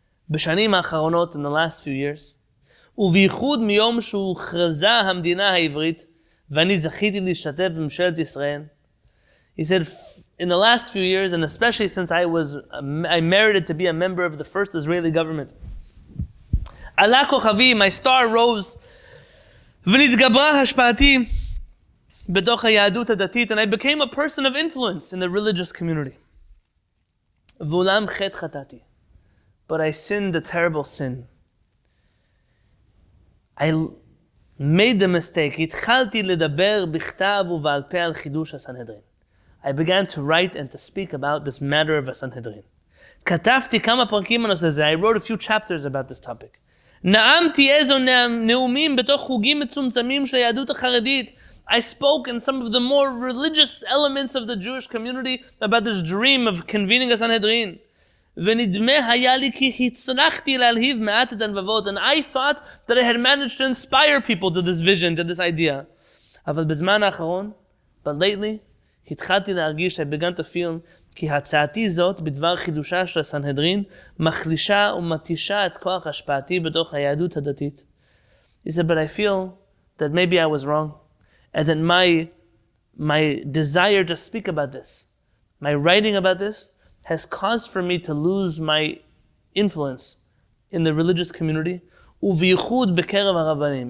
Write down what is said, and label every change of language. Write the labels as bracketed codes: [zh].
[he] בשנים האחרונות, [en] in the last few years, [he] ובייחוד מיום שהוכרזה המדינה העברית, ואני זכיתי להשתתף בממשלת ישראל, [en] he said, in the last few years, and especially since I merited to be a member of the first Israeli government, [he] עלה כוכבי, [en] my star rose, [he] ונתגברה השפעתי, בתוך היהדות הדתית, [en] and I became a person of influence in the religious community. [he] ואולם חטא חטאתי, [en] but I sinned a terrible sin. I made the mistake, [he] התחלתי לדבר בכתב ובעל פה על חידוש הסנהדרין. [en] I began to write and to speak about this matter of הסנהדרין. [he] כתבתי כמה פרקים בנושא זה, [en] I wrote a few chapters about this topic. [he] נאמתי איזו נאומים בתוך חוגים מצומצמים של היהדות החרדית, [en] I spoke in some of the more religious elements of the Jewish community about this dream of convening a Sanhedrin. [he] ונדמה היה לי כי הצלחתי להלהיב מעט את הנבבות, [en] and I thought that I had managed to inspire people to this vision, to this idea. [he] אבל בזמן האחרון, [en] but lately, [he] התחלתי להרגיש, [en] I began to feel, [he] כי הצעתי זאת בדבר חידושה של הסנהדרין מחלישה ומתישה את כוח השפעתי בתוך היהדות הדתית. [en] He said, but I feel that maybe I was wrong. And then my desire to speak about this, my writing about this, has caused for me to lose my influence in the religious community, [he] ובייחוד בקרב הרבנים.